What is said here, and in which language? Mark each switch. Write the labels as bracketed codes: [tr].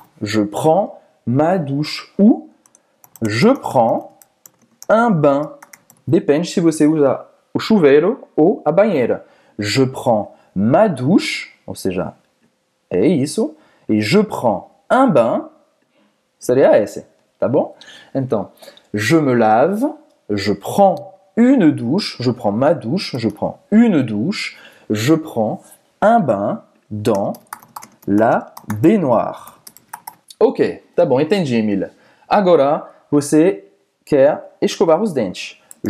[fr] Ou je prends un bain. [pt] Depende se você usa o chuveiro ou a banheira. [fr] Je prends ma douche, [pt] ou seja, é isso. E [fr] je prends un bain, [pt] seria esse, tá bom? Então, [fr] je me lave, je prends une douche, je prends un bain dans la baignoire. [pt] Ok, tá bom, entendi, Emile. Agora, você quer escovar os dentes.